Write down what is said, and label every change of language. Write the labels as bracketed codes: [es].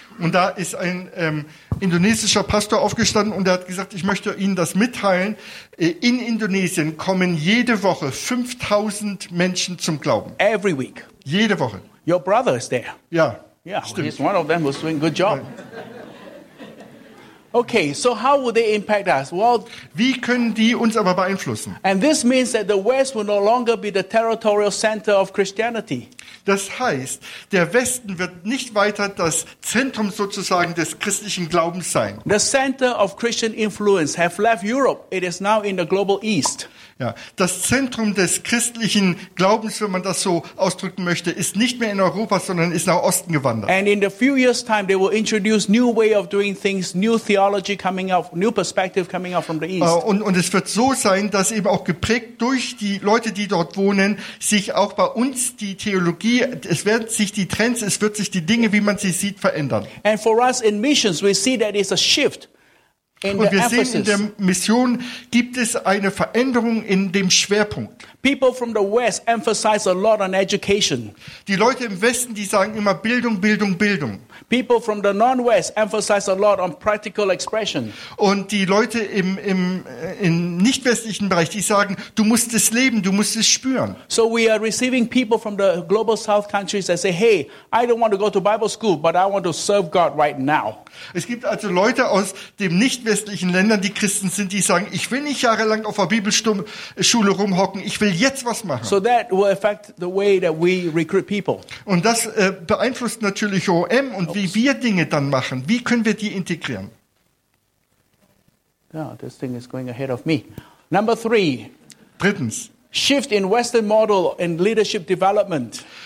[de] Und da ist ein indonesischer Pastor aufgestanden und er hat gesagt, ich möchte Ihnen das mitteilen, in Indonesien kommen jede Woche 5000 Menschen zum Glauben. [en] Every week. [de] Jede Woche. [en] Your brother is there. [de] Ja. [en] Yeah, [de] stimmt. [en] He's one of them who's doing a good job. Okay, so how will they impact us? Well, [de] wie können die uns aber beeinflussen? [en] And this means that the West will no longer be the territorial center of Christianity. [de] Das heißt, der Westen wird nicht weiter das Zentrum sozusagen des christlichen Glaubens sein. [en] The center of Christian influence have left Europe. It is now in the global East. [de] Ja, das Zentrum des christlichen Glaubens, wenn man das so ausdrücken möchte, ist nicht mehr in Europa, sondern ist nach Osten gewandert. [en] And in a few years time they will introduce new way of doing things, new theology coming out, new perspective coming out from the East. [de] Und es wird so sein, dass eben auch geprägt durch die Leute, die dort wohnen, sich auch bei uns die Theologie, es werden sich die Trends, es wird sich die Dinge, wie man sie sieht, verändern. [en] And for us in missions we see that it's a shift. [de] Und wir sehen, in der Mission gibt es eine Veränderung in dem Schwerpunkt. [en] People from the West emphasize a lot on education. [de] Die Leute im Westen, die sagen immer Bildung, Bildung, Bildung. [en] People from the non-West emphasize a lot on practical expression. [de] Und die Leute im nicht-westlichen Bereich, die sagen, du musst es leben, du musst es spüren. [en] So we are receiving people from the global South countries that say, hey, I don't want to go to Bible school, but I want to serve God right now. [de] Es gibt also Leute aus den nicht-westlichen Ländern, die Christen sind, die sagen, ich will nicht jahrelang auf der Bibelschule rumhocken, ich will jetzt was machen. [en] So that will affect the way that we recruit people. [de] Und das beeinflusst natürlich OM und wie wir Dinge dann machen. Wie können wir die integrieren? [en] Yeah, this thing is going ahead of me. Number three. [de] Drittens. [en] Shift in Western model and leadership development.